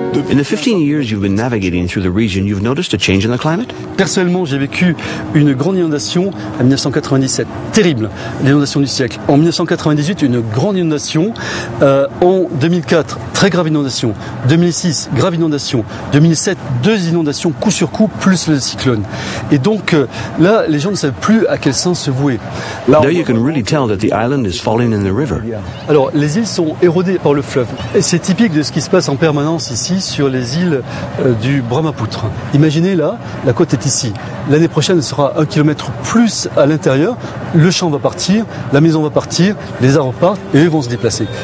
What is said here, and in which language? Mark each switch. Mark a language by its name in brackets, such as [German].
[English] In the 15 years you've been navigating through the region, you've noticed a change in the climate? [French] Personnellement, j'ai vécu une grande inondation en 1997, terrible, l'inondation du siècle. En 1998, une grande inondation. En 2004, très grave inondation. 2006, grave inondation. 2007, deux inondations coup sur coup, plus le cyclone. Et donc là, les gens ne savent plus à quel sens se vouer. [English] Now you can really tell that the island is falling in the river. [French] Alors, les îles sont érodées par le fleuve. Et c'est typique de ce qui se passe en permanence ici sur les îles du Brahmapoutre. Imaginez là, la côte est ici. L'année prochaine, elle sera un kilomètre plus à l'intérieur. Le champ va partir, la maison va partir, les arbres partent et eux vont se déplacer.